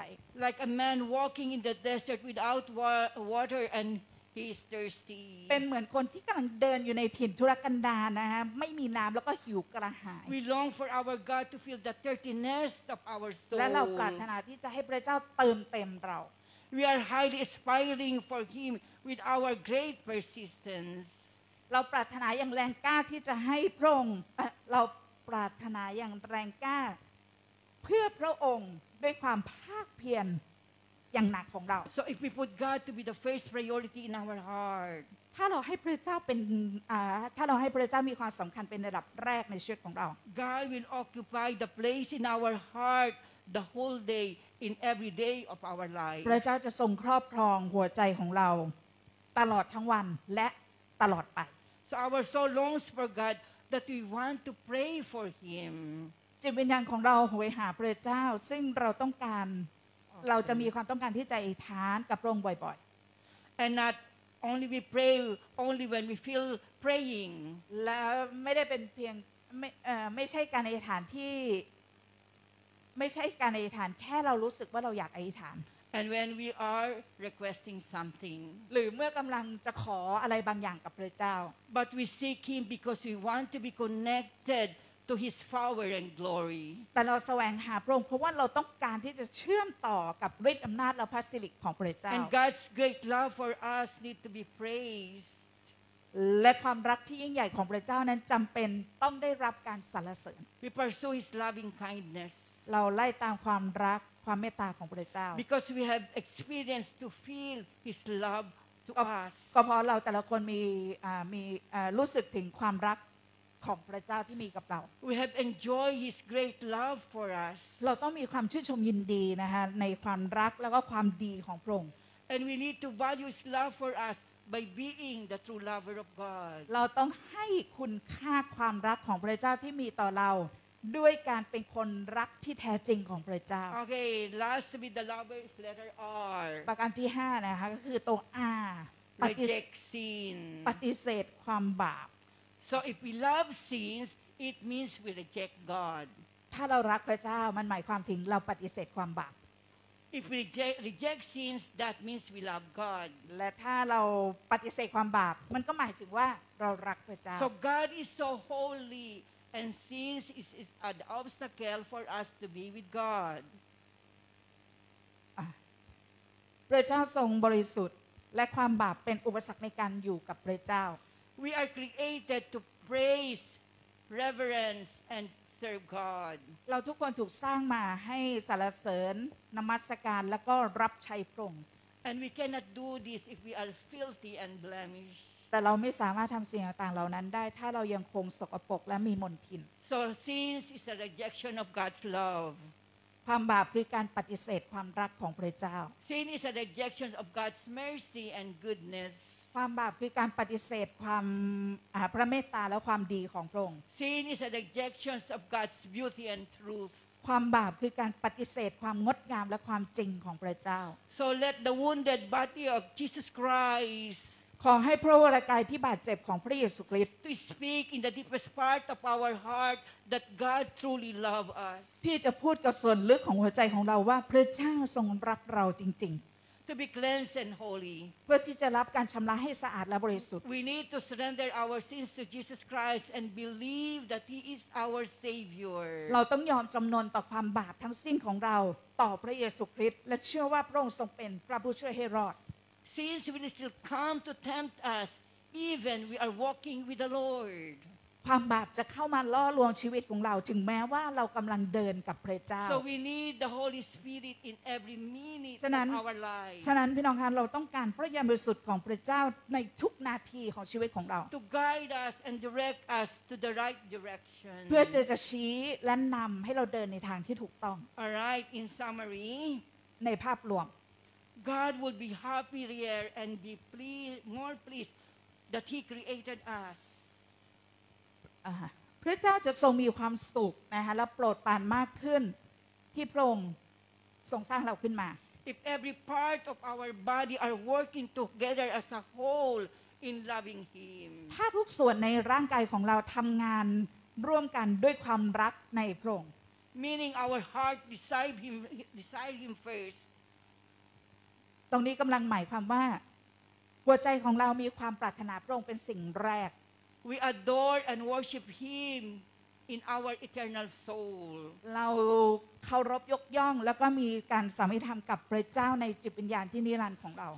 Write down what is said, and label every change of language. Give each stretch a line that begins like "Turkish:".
English: Like a man walking in the desert without water and he is thirsty.
Thai: เป็นเหมือนคนที่กำลังเดินอยู่ในถิ่นทุรกันดารนะฮะไม่มีน้ำแล้วก็หิวกระหาย
English: We long for our God to fill the thirstiness of our soul.
Thai: และเราปรารถนาที่จะให้พระเจ้าเติมเต็มเรา
English: We are highly aspiring for Him with our great persistence.
Thai: เราปรารถนาอย่างแรงกล้าที่จะให้พระองค์เราปรารถนาอย่างแรงกล้าเพื่อพระองค์ด้วยความภาคเพียรอย่างหนักของเรา
English: So if we put God to be the first priority in our heart,
Thai: ถ้าเราให้พระเจ้าเป็นถ้าเราให้พระเจ้ามีความสำคัญเป็นระดับแรกในชีวิตของเรา
English: God will occupy the place in our heart the whole day. In every day of our life,
Thai: พระเจ้าจะทรงครอบครองหัวใจของเราตลอดทั้งวันและตลอดไป
English: So our soul longs for God that we want to pray for Him.
Thai: จิตวิญญาณของเราโหยหาพระเจ้าซึ่งเราต้องการ okay. เราจะมีความต้องการที่จะอธิษฐานกับพระองค์บ่อยๆ
English: and not only we pray only when we feel praying
Thai: และไม่ได้เป็นเพียงไม่ใช่การอธิษฐานที่ไม่ใช่การอธิษฐานแค่เรารู้สึกว่าเราอยากอธิษฐาน
English: and when we are requesting something
Thai: หรือเมื่อกำลังจะขออะไรบางอย่างกับพระเจ้า
English: but we seek him because we want to be connectedTo His power and glory.
Thai: แต่เราแสวงหาพระองค์เพราะว่าเราต้องการที่จะเชื่อมต่อกับฤทธิ์อำนาจและพระสิริของพระเจ้า
English: And God's great love for us need to be praised.
Thai: และความรักที่ยิ่งใหญ่ของพระเจ้านั้นจำเป็นต้องได้รับการสรรเสริญ
English: We pursue His loving kindness.
Thai: เราไล่ตามความรักความเมตตาของพระเจ้า
English: Because we have experience to feel His love to us.
Thai: ก็เพราะเราแต่ละคนมีรู้สึกถึงความรักของพระเจ้าที่มีกับเรา
English: We have enjoyed His great love for us
Thai: เราต้องมีความชื่นชมยินดีนะฮะในความรักแล้วก็ความดีของพระองค์
English: And we need to value His love for us by being the true lover of God
Thai: เราต้องให้คุณค่าความรักของพระเจ้าที่มีต่อเราด้วยการเป็นคนรักที่แท้จริงของพระเจ้า
English: Okay last to be the lover is letter R
Thai: ประการที่5นะคะก็คือตัว R
English: Reject sin
Thai: ปฏิเสธความบาป
English: So if we love sins, it means we reject God.
Thai: ถ้าเรารักพระเจ้ามันหมายความถึงเราปฏิเสธความบาป
English: If we reject sins, that means we love God.
Thai: และถ้าเราปฏิเสธความบาปมันก็หมายถึงว่าเรารักพระเจ้า
English: So God is so holy, and sins is an obstacle for us to be with God.
Thai: พระเจ้าทรงบริสุทธิ์และความบาปเป็นอุปสรรคในการอยู่กับพระเจ้า
English: We are created to praise, reverence, and serve God.
Thai: เราทุกคนถูกสร้างมาให้สรรเสริญนมัสการแล้วก็รับใช้พระองค์
English: And we cannot do this if we are filthy and blemished.
Thai: แต่เราไม่สามารถทำสิ่งต่างๆเหล่านั้นได้ถ้าเรายังคงสกปรกและมีมลทิน
English: So sins is a rejection of God's love.
Thai: ความบาปคือการปฏิเสธความรักของพระเจ้า
English: Sin is a rejection of God's mercy and goodness.
Thai: ความบาปคือการปฏิเสธความพระเมตตาและความดีของพระองค์
English: Sin is a rejection of God's beauty and truth
Thai: ความบาปคือการปฏิเสธความงดงามและความจริงของพระเจ้า
English: So let the wounded body of Jesus Christ
Thai: ขอให้พระวรกายที่บาดเจ็บของพระเยซูคริสต์
English: To speak in the deepest part of our heart that God truly loves us
Thai: ที่จะพูดกับส่วนลึกของหัวใจของเราว่าพระเจ้าทรงรักเราจริงๆ
English: to be cleansed and holy
Thai: เพื่อที่จะรับการชำระให้สะอาดและบริสุทธิ์
English: we need to surrender our sins to Jesus Christ and believe that he is our savior
Thai: เราต้องยอมจำนนต่อความบาปทั้งสิ้นของเราต่อพระเยซูคริสต์และเชื่อว่าพระองค์ทรงเป็นพระผู้ช่วยให้รอด
English: sins will still come to tempt us even we are walking with the lord
Thai: ความบาปจะเข้ามาล่อลวงชีวิตของเราถึงแม้ว่าเรากำลังเดินกับพระเจ้า
English: so we need the holy spirit in every minute of our life
Thai: ฉะนั้นพี่น้องคะเราต้องการพระวิญญาณบริสุทธิ์ของพระเจ้าในทุกนาทีของชีวิตของเรา
English: to guide us and direct us to the right direction
Thai: เพื่อจะชี้และนำให้เราเดินในทางที่ถูกต้อง
English: all right in summary
Thai: ในภาพรวม
English: God would be happier and be pleased more pleased that he created us
Thai: พระเจ้าจะทรงมีความสุขนะคะและโปรดปรานมากขึ้นที่พระองค์ทรงสร้างเราขึ้นมา
English: If every part of our body are working together as a whole in loving him
Thai: ถ้าทุกส่วนในร่างกายของเราทำงานร่วมกันด้วยความรักในพระองค์
English: meaning our heart desire him first
Thai: ตรงนี้กำลังหมายความว่าหัวใจของเรามีความปรารถนาพระองค์เป็นสิ่งแรก
English: We adore and worship Him in our eternal soul.
Thai: เราเคารพยกย่องแล้วก็มีการสัมมิธรรมกับพระเจ้าในจิตวิญญาณที่นิรันดร์ของเรา